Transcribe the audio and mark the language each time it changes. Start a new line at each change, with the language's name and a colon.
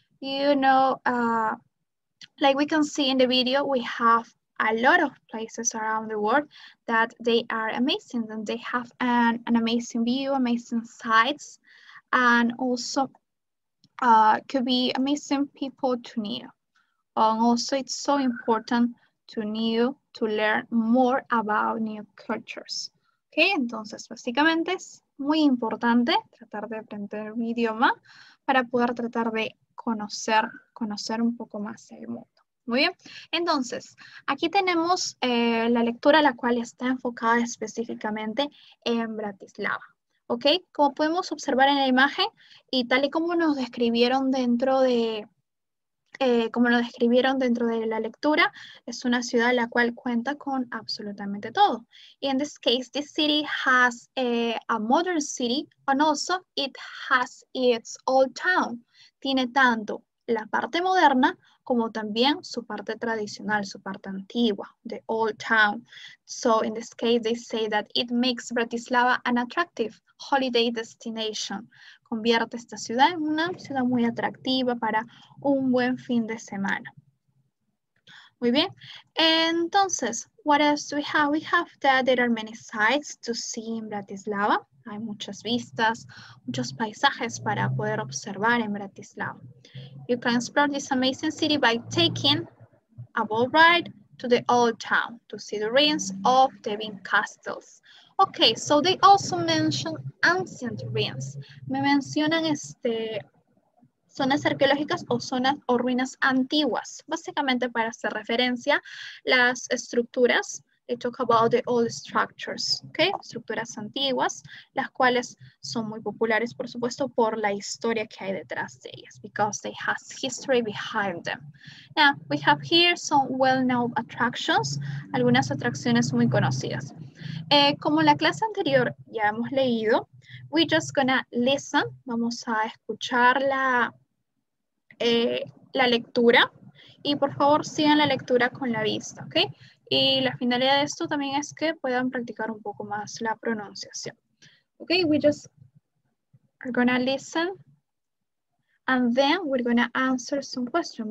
English: You know, like we can see in the video, we have a lot of places around the world that they are amazing and they have an amazing view, amazing sights, and also could be amazing people to know. And also it's so important to learn more about new cultures.
Spanish: Okay, entonces básicamente es muy importante tratar de aprender un idioma para poder tratar de conocer un poco más el mundo. Muy bien, entonces aquí tenemos la lectura, la cual está enfocada específicamente en Bratislava. Ok, como podemos observar en la imagen y tal y como nos describieron dentro de la lectura, es una ciudad la cual cuenta con absolutamente todo.
English: In this case, this city has a modern city and also it has its old town.
Spanish: Tiene tanto la parte moderna como también su parte tradicional, su parte antigua,
English: the old town. So in this case, they say that it makes Bratislava an attractive holiday destination.
Spanish: Convierte esta ciudad en una ciudad muy atractiva para un buen fin de semana. Muy bien. Entonces,
English: what else do we have? We have that there are many sights to see in Bratislava.
Spanish: Hay muchas vistas, muchos paisajes para poder observar en Bratislava.
English: You can explore this amazing city by taking a boat ride to the old town to see the ruins of the Vin castles. Okay, so they also mention ancient ruins.
Spanish: Me mencionan zonas arqueológicas o zonas o ruinas antiguas. Básicamente para hacer referencia, las estructuras.
English: They talk about the old structures, okay?
Spanish: Estructuras antiguas, las cuales son muy populares, por supuesto, por la historia que hay detrás de ellas,
English: because they have history behind them. Now, we have here some well-known attractions,
Spanish: algunas atracciones muy conocidas. Como la clase anterior ya hemos leído,
English: we're just gonna listen,
Spanish: vamos a escuchar la lectura, y por favor sigan la lectura con la vista, okay? Y la finalidad de esto también es que puedan practicar un poco más la pronunciación.
English: Okay, we just are gonna listen and then we're gonna answer some questions.